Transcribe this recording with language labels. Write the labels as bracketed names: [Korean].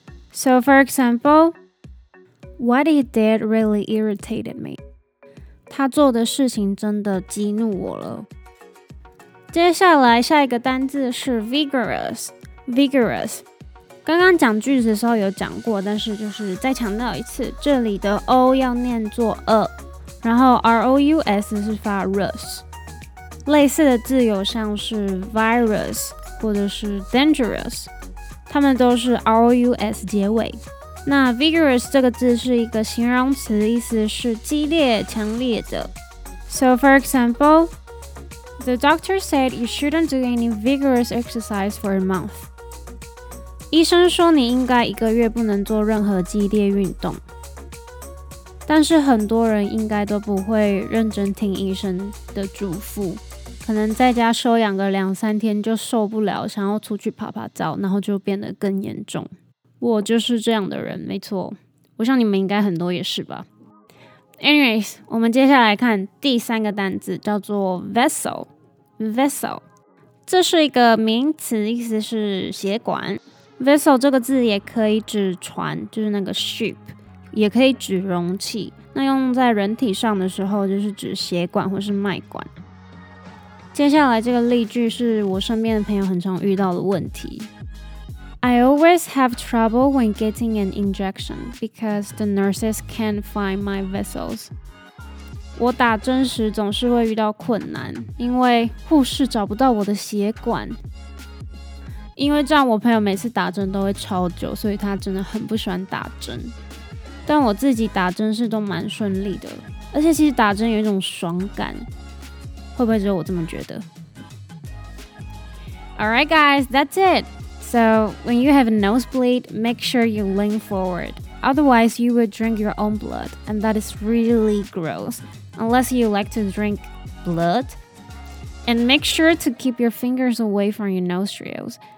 [English] So for example, what he did really irritated me. [Chinese] 他做的事情真的激怒我了。接下来下一个单字是 vigorous， vigorous。刚刚讲句子的时候有讲过，但是就是再强调一次，这里的 o 要念作 a， 然后 r o u s 是发 rus。类似的字有像是 virus 或者是 dangerous， 它们都是 r o u s 结尾。那 vigorous 这个字是一个形容词，意思是激烈、强烈的。 [English] So for example, the doctor said you shouldn't do any vigorous exercise for a month. [Chinese] 医生说你应该一个月不能做任何激烈运动。但是很多人应该都不会认真听医生的嘱咐，可能在家休养个两三天就受不了，想要出去爬爬灶，然后就变得更严重。我就是这样的人，没错。我想你们应该很多也是吧。 Anyways， 我们接下来看第三个单字，叫做 vessel。 vessel 这是一个名词，意思是血管。 vessel 这个字也可以指船，就是那个 ship， 也可以指容器。那用在人体上的时候，就是指血管或是脉管。接下来这个例句是我身边的朋友很常遇到的问题。 [English] I always have trouble when getting an injection because the nurses can't find my vessels. [Chinese] 我打针时总是会遇到困难，因为护士找不到我的血管。因为这样我朋友每次打针都会超久，所以他真的很不喜欢打针。但我自己打针是都蛮顺利的，而且其实打针有一种爽感，会不会只有我这么觉得？ [English] Alright guys, that's it. So when you have a nosebleed, make sure you lean forward. Otherwise, you will drink your own blood, and that is really gross. Unless you like to drink blood. And make sure to keep your fingers away from your nostrils.